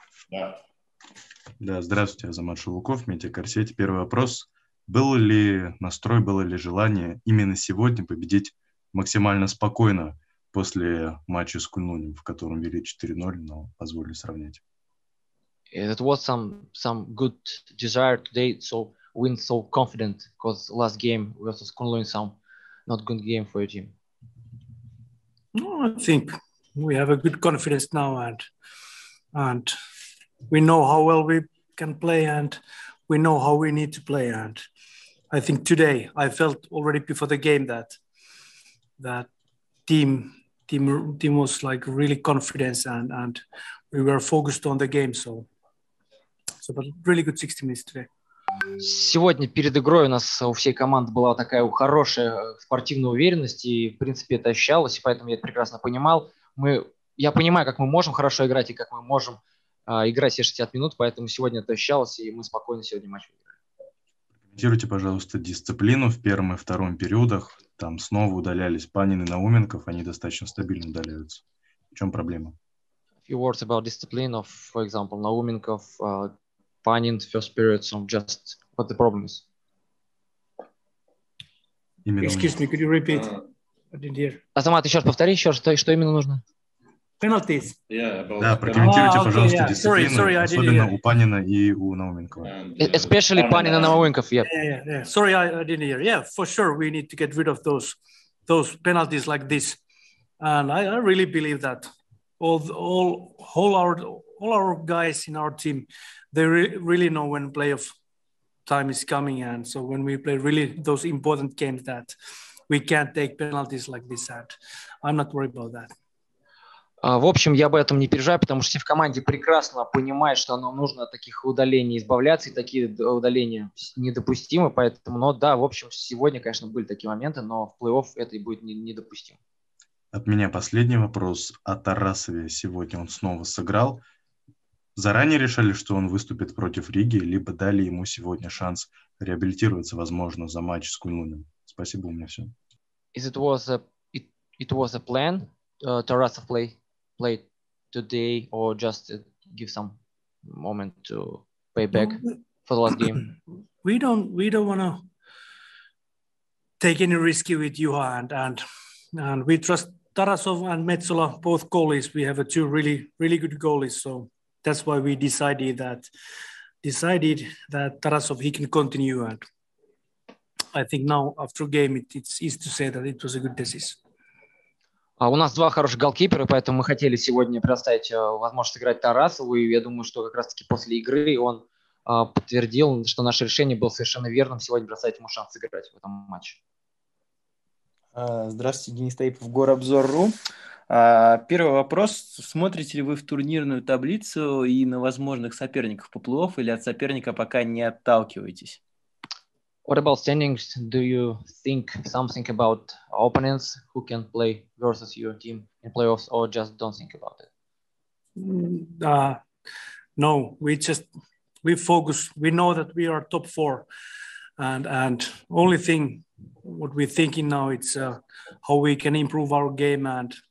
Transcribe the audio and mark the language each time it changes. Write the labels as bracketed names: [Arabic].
[Russian] Да. Да, здравствуйте, Азамат Шелуков, Митя Корсеть. Первый вопрос. Был ли настрой, было ли желание именно сегодня победить максимально спокойно после матча с Куньлунем, в котором вели 4-0, но позволили сравнять. [English] It was some good desire today to so win so confident, because last game versus Kunlun some not good game for your team. No, I think we have a good confidence now and we know how well we can play and we know how we need to play and I think today I felt already before the game that team was like really confident and we were focused on the game. So but really good 60 minutes today. [Russian] Сегодня перед игрой у нас у всей команды была такая хорошая спортивная уверенность, и в принципе это ощущалось, и поэтому я это прекрасно понимал. Я понимаю, как мы можем хорошо играть, и как мы можем играть все 60 минут, поэтому сегодня это ощущалось, и мы спокойно сегодня матч выиграли. Комментируйте, пожалуйста, дисциплину в первом и втором периодах. Там снова удалялись Панин и Науменков. Они достаточно стабильно удаляются. В чем проблема? [English] A few words about discipline of, for example, Науменков, Панин, first period, so just what the problem is. Именно excuse me, could you repeat? I didn't hear. [Russian] Азамат, еще раз повтори, еще раз, что именно нужно? [English] Penalties. Yeah, [Russian] да, прокомментируйте, okay, пожалуйста, yeah. Дисциплину, sorry, особенно у Панина и у Науменкова. [English] Especially Панин [Russian] и [English] Науменков, yeah. Sorry, I didn't hear. Yeah, for sure, we need to get rid of those penalties like this. And I really believe that all our guys in our team, they really know when playoff time is coming. And so when we play really those important games that we can't take penalties like this. And I'm not worried about that. [Russian] В общем, я об этом не переживаю, потому что все в команде прекрасно понимают, что нам нужно от таких удалений избавляться, и такие удаления недопустимы. Поэтому, но да, в общем, сегодня, конечно, были такие моменты, но в плей-офф это и будет недопустимо. От меня последний вопрос о Тарасове. Сегодня он снова сыграл. Заранее решали, что он выступит против Риги, либо дали ему сегодня шанс реабилитироваться, возможно, за матч с Куньлунем? Спасибо, у меня все. [English] It was a plan. Tarasov played today or just give some moment to pay back for the last game? We don't want to take any risky with Juha and we trust Tarasov and Metsola, both goalies. We have two really, really good goalies. So that's why we decided that Tarasov, he can continue. And I think now after game, it's easy to say that it was a good decision. [Russian] У нас два хороших голкипера, поэтому мы хотели сегодня предоставить возможность играть Тарасову, и я думаю, что как раз-таки после игры он подтвердил, что наше решение было совершенно верным сегодня предоставить ему шанс сыграть в этом матче. Здравствуйте, Денис Таипов, Горобзор.ру. Первый вопрос. Смотрите ли вы в турнирную таблицу и на возможных соперников по плей-офф или от соперника пока не отталкиваетесь? [English] What about standings? Do you think something about opponents who can play versus your team in playoffs or just don't think about it? No, we focus. We know that we are top four and only thing what we're thinking now, it's how we can improve our game and